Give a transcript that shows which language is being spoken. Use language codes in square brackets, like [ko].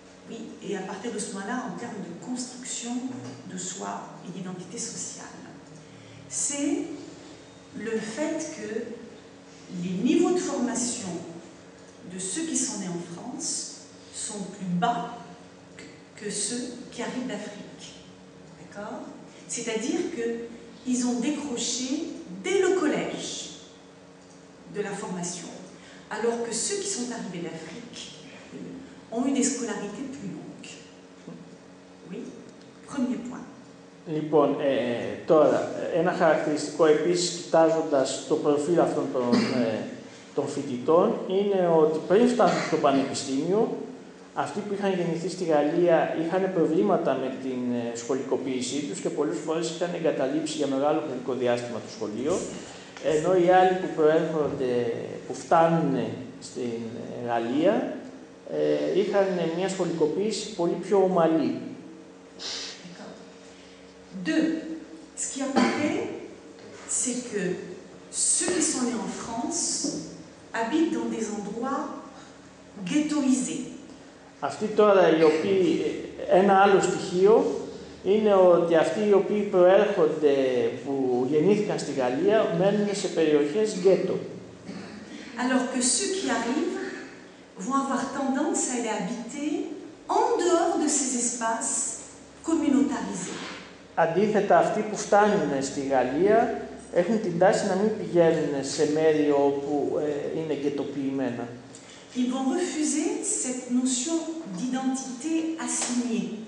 [fr] Oui, et à partir de ce moment-là, en termes de construction de soi et d'identité sociale, c'est le fait que les niveaux de formation de ceux qui sont nés en France sont plus bas que ceux qui arrivent d'Afrique. D'accord ? C'est-à-dire qu'ils ont décroché dès le collège de la formation, alors que ceux qui sont arrivés d'Afrique ont eu des scolarités plus longues. Oui, premier point. [el] Λοιπόν, τώρα, ένα χαρακτηριστικό επίσης, κοιτάζοντας το προφίλ αυτών των φοιτητών, είναι ότι πριν φτάσουν στο πανεπιστήμιο, αυτοί που είχαν γεννηθεί στη Γαλλία είχαν προβλήματα με την σχολικοποίησή τους και πολλές φορές είχαν εγκαταλείψει για μεγάλο χρονικό διάστημα το σχολείο, ενώ οι άλλοι που προέρχονται, που φτάνουν στην Γαλλία, είχαν μια σχολικοποίηση πολύ πιο ομαλή. [fr] Deux, ce qui apparaît, c'est que ceux qui sont nés en France habitent dans des endroits ghettoisés. [el] Αυτοί τώρα οι οποίοι, ένα άλλο στοιχείο είναι ότι αυτοί οι οποίοι προέρχονται, που γεννήθηκαν στη Γαλλία, μένουν σε περιοχές ghetto. [fr] Alors que ceux qui arrivent vont avoir tendance à aller habiter en dehors de ces espaces communautarisés. [el] Αντίθετα, αυτοί που φτάνουν στη Γαλλία έχουν την τάση να μην πηγαίνουν σε μέρη όπου είναι γκετοποιημένα. [fr] Ils vont refuser cette notion d'identité assignée.